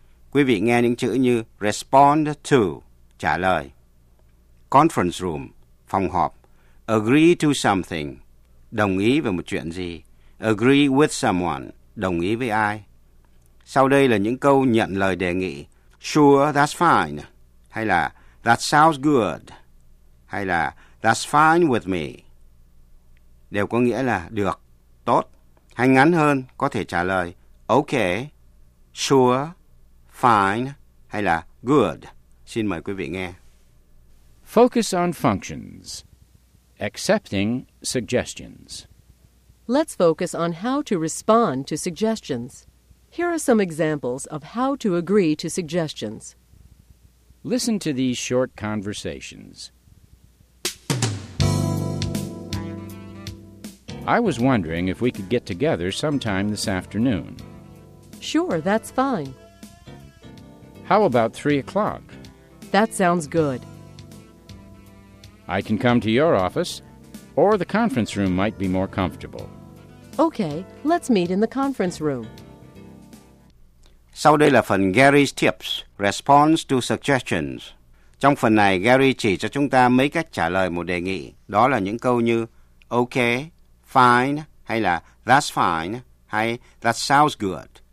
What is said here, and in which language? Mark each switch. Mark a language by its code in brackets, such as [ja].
[vi] Quý vị nghe những chữ như respond to, trả lời. [en] Conference room, [vi] phòng họp. [en] Agree to something, [vi] đồng ý về một chuyện gì. [en] Agree with someone, [vi] đồng ý với ai. Sau đây là những câu nhận lời đề nghị. [en] Sure, that's fine. [vi] Hay là [en] that sounds good. [vi] Hay là [en] that's fine with me. [vi] Đều có nghĩa là được, tốt. Hay ngắn hơn, có thể trả lời okay, sure, fine, hay là good, Xin mời quý vị nghe. [en] Focus on functions. Accepting suggestions. Let's focus on how to respond to suggestions. Here are some examples of how to agree to suggestions. Listen to these short conversations. I was wondering if we could get together sometime this afternoon. Sure, that's fine. How about 3 o'clock? That sounds good. I can come to your office, or the conference room might be more comfortable. Okay, let's meet in the conference room. [vi] Sau đây là phần Gary's Tips, Response to Suggestions. Trong phần này, Gary chỉ cho chúng ta mấy cách trả lời một đề nghị. Đó là những câu như okay, fine, hay là [en] that's fine, [vi] hay [en] that sounds good.